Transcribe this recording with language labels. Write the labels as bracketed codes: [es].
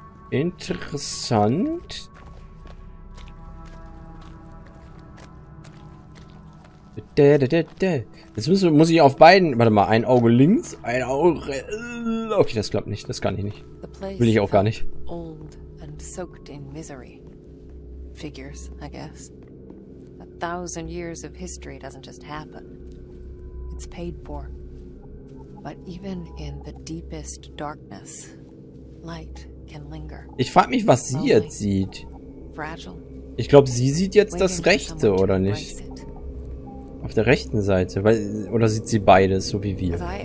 [de] Interessant. Jetzt muss ich auf beiden. Warte mal, ein Auge links, ein Auge. Okay, das klappt nicht. Das kann ich nicht. Will ich auch gar nicht. [en] Old and soaked in misery. Figures, I guess. A thousand years of history doesn't just happen. It's paid for. But even in the deepest darkness, light can linger. [de] Ich frage mich, was sie jetzt sieht. Fragile. Ich glaube, sie sieht jetzt das Rechte, oder nicht? Auf der rechten Seite, weil, oder sieht sie beides, so wie wir?